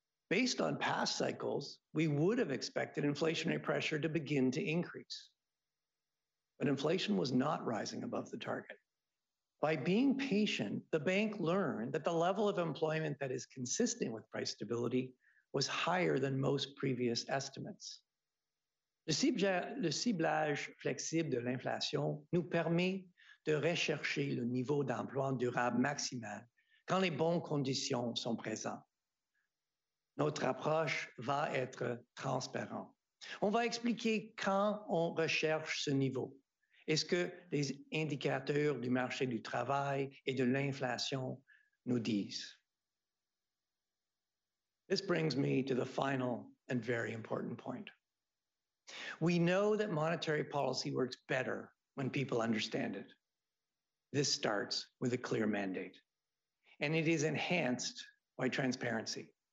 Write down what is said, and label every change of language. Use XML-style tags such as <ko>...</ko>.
<en>Based on past cycles, we would have expected inflationary pressure to begin to increase. But inflation was not rising above the target. By being patient, the bank learned that the level of employment that is consistent with price stability was higher than most previous estimates.</en> <fr>Le ciblage flexible de l'inflation nous permet de rechercher le niveau d'emploi durable maximal quand les bonnes conditions sont présentes. Notre approche va être transparente. On va expliquer quand on recherche ce niveau. Est-ce que les indicateurs du marché du travail et de l'inflation nous disent?</fr> <en>This brings me to the final and very important point. We know that monetary policy works better when people understand it. This starts with a clear mandate, and it is enhanced by transparency.</en>